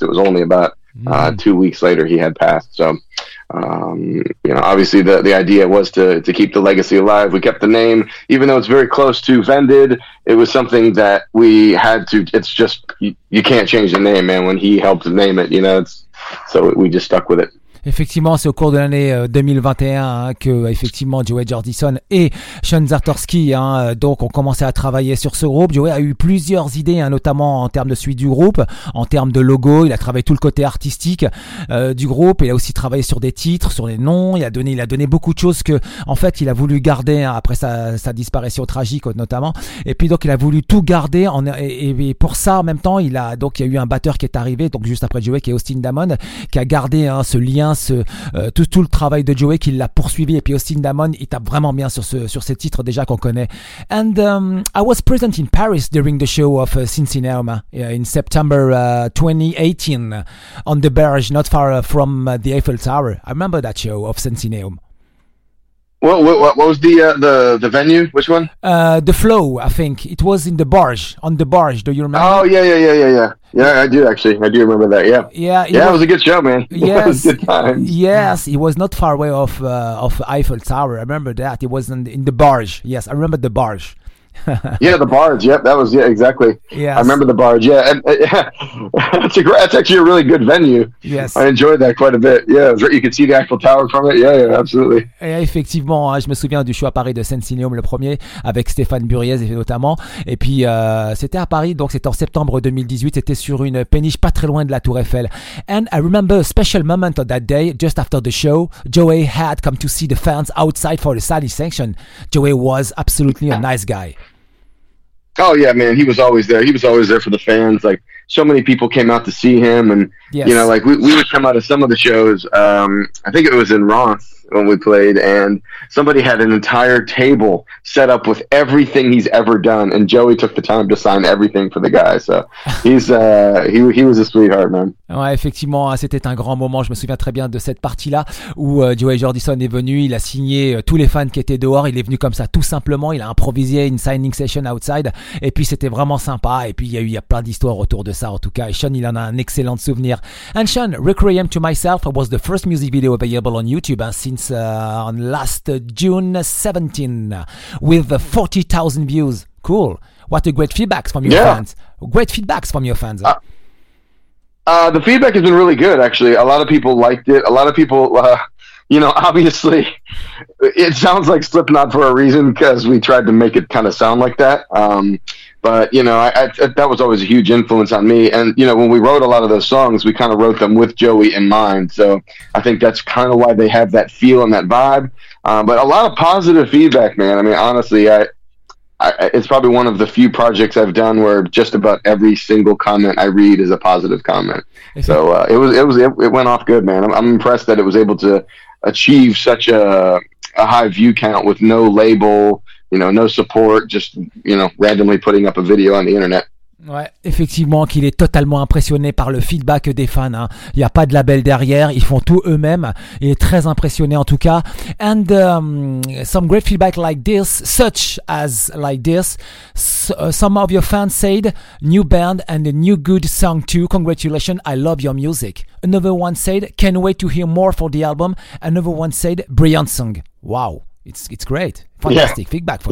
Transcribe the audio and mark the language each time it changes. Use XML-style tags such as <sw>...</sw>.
<en>It was only about 2 weeks later he had passed. So, you know, obviously the idea was to keep the legacy alive. We kept the name, even though it's very close to Vended. It was something that we had to, it's just, you can't change the name, man. When he helped name it, you know, it's, so we just stuck with it.</en> <fr>Effectivement, c'est au cours de l'année 2021 hein, que effectivement Joey Jordison et Sean Zatorski hein, donc ont commencé à travailler sur ce groupe. Joey a eu plusieurs idées, hein, notamment en termes de suite du groupe, en termes de logo. Il a travaillé tout le côté artistique du groupe. Il a aussi travaillé sur des titres, sur les noms. Il a donné beaucoup de choses que en fait il a voulu garder hein, après sa disparition tragique notamment. Et puis donc il a voulu tout garder. Et pour ça, en même temps, il y a eu un batteur qui est arrivé donc juste après Joey, qui est Austin Diamond, qui a gardé hein, ce lien. Tout le travail de Joey qui l'a poursuivi, et puis Austin Diamond il tape vraiment bien sur ce titre déjà qu'on connaît.</fr> <en>And I was present in Paris during the show of Sensanum in September 2018 on the barrage not far from the Eiffel Tower. I remember that show of Sensanum. What was the venue? Which one? The Flow, I think. It was in the barge, on the barge. Do you remember? Oh, yeah. Yeah, I do, actually. I do remember that, yeah. Yeah, it was a good show, man. Yes. It was good times. Yes, it was not far away off Eiffel Tower. I remember that. It was in the barge. Yes, I remember the barge. Yeah, the barge. Yep, that was, yeah, exactly. Yes. I remember the barge, yeah. And that's actually a really good venue. Yes. I enjoyed that quite a bit. Yeah, you could see the Eiffel Tower from it. Yeah, absolutely.</en> <fr>Et effectivement, hein, je me souviens du show à Paris de Sensanum, le premier, avec Stéphane Buriez notamment. Et puis, c'était à Paris, donc c'était en septembre 2018. C'était sur une péniche pas très loin de la Tour Eiffel.</fr> <en>And I remember a special moment on that day, just after the show, Joey had come to see the fans outside for the silent section. Joey was absolutely a nice guy. Oh yeah, man, he was always there. He was always there for the fans. Like, so many people came out to see him, and yes. You know, like we would come out of some of the shows. I think it was in Roth when we played, and somebody had an entire table set up with everything he's ever done, and Joey took the time to sign everything for the guy. So he was a sweetheart, man.</en> <fr>Ouais, effectivement, c'était un grand moment. Je me souviens très bien de cette partie-là où Joey Jordison est venu. Il a signé tous les fans qui étaient dehors. Il est venu comme ça, tout simplement. Il a improvisé une</fr> <en>signing session outside.</en> <fr>Et puis, c'était vraiment sympa. Et puis, il y a plein d'histoires autour de ça, en tout cas. Et Sean, il en a un excellent souvenir.</fr> <en>And Sean, Requiem to Myself was the first music video available on YouTube since on last June 17 with 40,000 views. Cool. What a great feedback from your fans. Great feedback from your fans. The feedback has been really good, actually. A lot of people liked it. A lot of people, you know, obviously, it sounds like Slipknot for a reason because we tried to make it kind of sound like that. But, you know, I that was always a huge influence on me. And, you know, when we wrote a lot of those songs, we kind of wrote them with Joey in mind. So I think that's kind of why they have that feel and that vibe. But a lot of positive feedback, man. I mean, honestly, it's probably one of the few projects I've done where just about every single comment I read is a positive comment. So it went off good, man. I'm impressed that it was able to achieve such a high view count with no label, you know, no support, just, you know, randomly putting up a video on the internet.</en> <fr>Ouais, effectivement, qu'il est totalement impressionné par le feedback des fans. Hein. Il n'y a pas de label derrière, ils font tout eux-mêmes. Il est très impressionné en tout cas.</fr> <en>And some great feedback like this, such as like this. Some of your fans said, new band and a new good song too. Congratulations, I love your music. Another one said, can't wait to hear more for the album. Another one said, brilliant song. Wow, It's great. Fantastic feedback for</en>